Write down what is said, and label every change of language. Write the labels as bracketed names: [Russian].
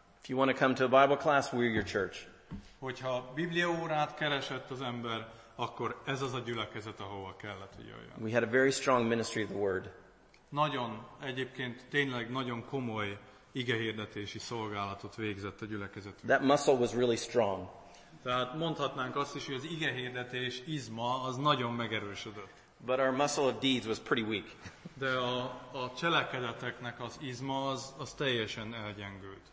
[English] If you want to come to a Bible class, we're your church. [Hungarian] Hogyha Biblia órát keresett az ember, akkor ez az a gyülekezet, ahova kellett, hogy jöjjön. [English] We had a very strong ministry of the word. [Hungarian] Nagyon, egyébként tényleg nagyon komoly igehirdetési szolgálatot végzett a gyülekezetünk. [English] That muscle was really strong. [Hungarian] Tehát mondhatnánk azt is, hogy az igehirdetés izma az nagyon megerősödött. [English] But our muscle of deeds was pretty weak. [Hungarian] De a cselekedeteknek az izma az teljesen elgyengült.